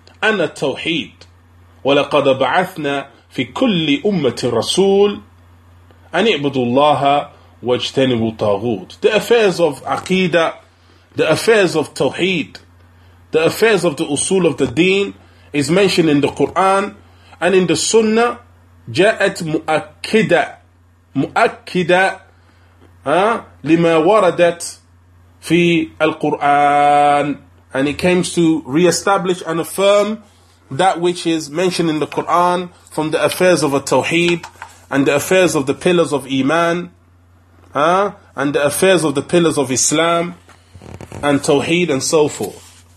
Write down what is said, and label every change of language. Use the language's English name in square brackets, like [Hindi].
[Arabic] And the Tawheed. وَلَقَدَ بَعَثْنَا فِي كُلِّ أُمَّةِ الرَّسُولِ أَنِ اِعْبُدُ اللَّهَ وَاجْتَنِبُوا طَاغُوتِ. [English] The affairs of Aqidah, the affairs of Tawheed, the affairs of the usul of the deen, is mentioned in the Quran and in the Sunnah. [Arabic] جاءت مؤكدة مؤكدة لما وردت في القرآن. [English] And it came to re-establish and affirm that which is mentioned in the Quran, from the affairs of a Tawheed and the affairs of the pillars of Iman, and the affairs of the pillars of Islam, and Tawheed and so forth.